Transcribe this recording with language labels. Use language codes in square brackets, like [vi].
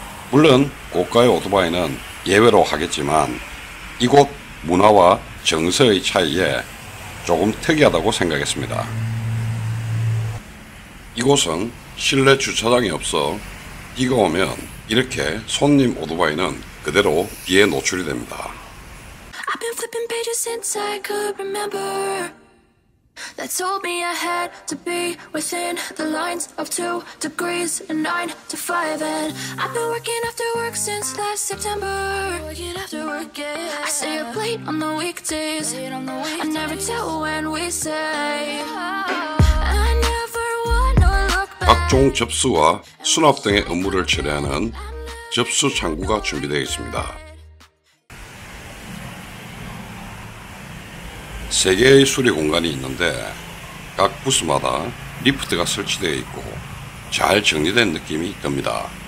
[ko] 물론 고가의 오토바이는 예외로 하겠지만 이곳 문화와 정서의 차이에 조금 특이하다고 생각했습니다. 이곳은 실내 주차장이 없어 비가 오면 이렇게 손님 오토바이는 그대로 비에 노출이 됩니다. [en] I've been flipping pages since I could remember. That told me I had to be within the lines of 2 degrees and 9 to 5. And I've been working after work since last September. Working after work, yeah. I stay up late on the weekdays. I never tell when we say. I never want to look back. [ko] 각종 접수와 수납 등의 업무를 처리하는 접수 창구가 준비되어 있습니다. 세 개의 수리 공간이 있는데 각 부스마다 리프트가 설치되어 있고 잘 정리된 느낌이 듭니다.